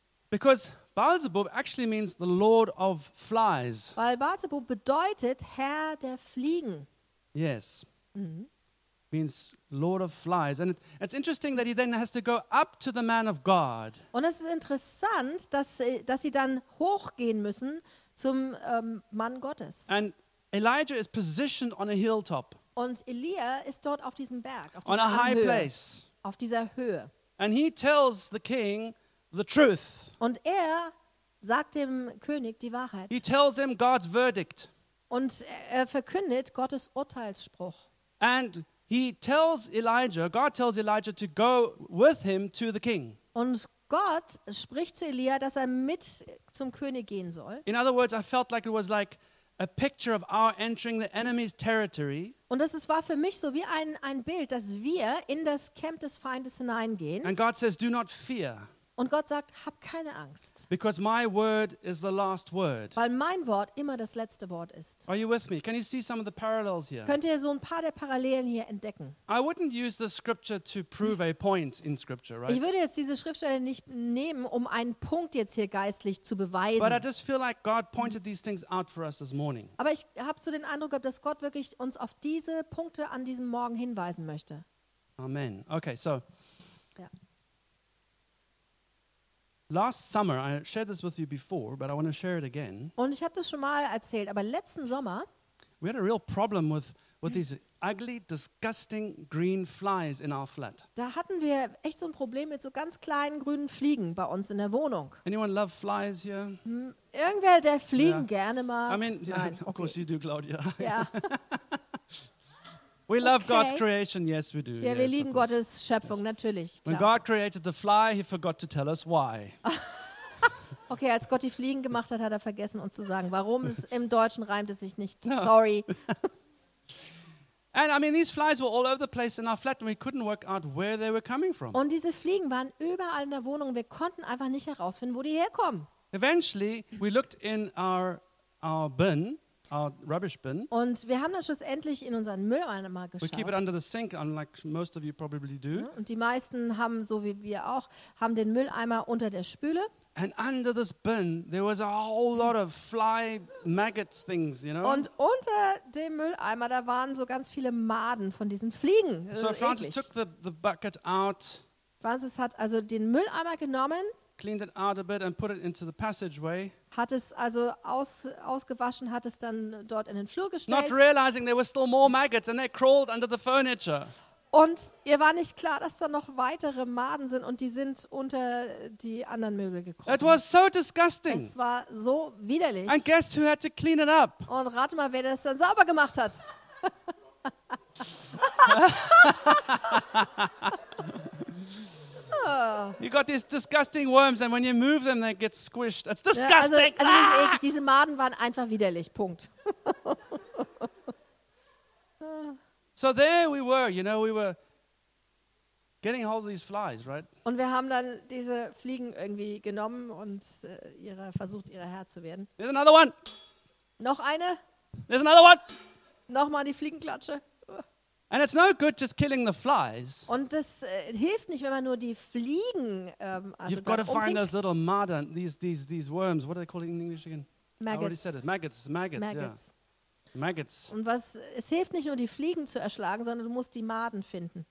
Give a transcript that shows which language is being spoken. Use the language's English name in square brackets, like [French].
[English] Because Beelzebub actually means the Lord of flies. [German] Weil Beelzebub bedeutet Herr der Fliegen. [English] Yes. Means Lord of flies, and it's interesting that he then has to go up to the man of God. [German] Und es ist interessant, dass sie dann hochgehen müssen zum Mann Gottes. [English] And Elijah is positioned on a hilltop. [German] Und Elia ist dort auf diesem Berg, auf [English] on a high [German] Höhe, [English] place. [German] Auf dieser Höhe. [English] And he tells the king the truth. [German] Und er sagt dem König die Wahrheit. [English] He tells him God's verdict. [German] Und er verkündet Gottes Urteilsspruch. [English] And he tells Elijah, God tells Elijah to go with him to the king. [German] Und Gott spricht zu Elia, dass er mit zum König gehen soll. [English] In other words, I felt like it was like a picture of our entering the enemy's territory. [German] Und das war für mich so wie ein Bild, dass wir in das Camp des Feindes hineingehen. [English] And God says, do not fear. [German] Und Gott sagt, hab keine Angst. [English] Because my word is the last word. [German] Weil mein Wort immer das letzte Wort ist. [English] Are you with me? Can you see some of the parallels here? [German] Könnt ihr so ein paar der Parallelen hier entdecken? [English] I wouldn't use this scripture to prove a point in scripture, right? [German] Ich würde jetzt diese Schriftstelle nicht nehmen, um einen Punkt jetzt hier geistlich zu beweisen. [English] But I just feel like God pointed these things out for us this morning. [German] Aber ich habe so den Eindruck gehabt, dass Gott wirklich uns auf diese Punkte an diesem Morgen hinweisen möchte. [English] Amen. Okay, so. Last summer, I shared this with you before, but I want to share it again. [German] Und ich habe das schon mal erzählt, aber letzten Sommer. [English] We had a real problem with these ugly, disgusting green flies in our flat. [German] Da hatten wir echt so ein Problem mit so ganz kleinen grünen Fliegen bei uns in der Wohnung. [English] Anyone love flies here? [German] Irgendwer der Fliegen gerne mal? [English] I mean, yeah, [German] nein, [English] of course you do, Claudia. Yeah. We love God's creation, yes we do. [German] Ja, [English] yes, [German] wir lieben Gottes Schöpfung, [English] yes. [German] Natürlich. Klar. [English] When God created the fly, he forgot to tell us why. [German] Okay, als Gott die Fliegen gemacht hat, hat er vergessen uns zu sagen, warum. Es im Deutschen reimt es sich nicht. [English] No. Sorry. And I mean, these flies were all over the place in our flat and we couldn't work out where they were coming from. [German] Und diese Fliegen waren überall in der Wohnung, wir konnten einfach nicht herausfinden, wo die herkommen. [English] Eventually, we looked in our bin. Our rubbish bin. [German] Und wir haben dann schlussendlich in unseren Mülleimer geschaut. [English] We keep it under the sink, unlike most of you probably do. [German] Und die meisten haben, so wie wir auch, haben den Mülleimer unter der Spüle. [English] And under this bin, there was a whole lot of fly maggots things, you know. [German] Und unter dem Mülleimer, da waren so ganz viele Maden von diesen Fliegen. [English] So Francis [German] eklig. [English] Took the bucket out. [German] Francis hat also den Mülleimer genommen. [English] Cleaned it out a bit and put it into the passageway. [German] Hat es also ausgewaschen, hat es dann dort in den Flur gestellt. [English] Not realizing there were still more maggots and they crawled under the furniture. [German] Und ihr war nicht klar, dass da noch weitere Maden sind und die sind unter die anderen Möbel gekommen. [English] It was so disgusting. [German] Es war so widerlich. [English] And guess who had to clean it up? [German] Und rate mal, wer das dann sauber gemacht hat. [English] You got these disgusting worms and when you move them they get squished. It's disgusting. [German] Ja, also ah! Diese Maden waren einfach widerlich. Punkt. [English] So there we were, you know, we were getting hold of these flies, right? [German] Und wir haben dann diese Fliegen irgendwie genommen und versucht ihre Herr zu werden. [English] There's another one. [German] Noch eine? [English] There's another one. [German] Noch mal die Fliegenklatsche. [English] And it's no good just killing the flies. [German] Und das hilft nicht, wenn man nur die Fliegen also [English] you've got to find those little mud and these worms. What do they call it in English again? Maggots. I already said it. Maggots. [German] Und es hilft nicht nur die Fliegen zu erschlagen, sondern du musst die Maden finden.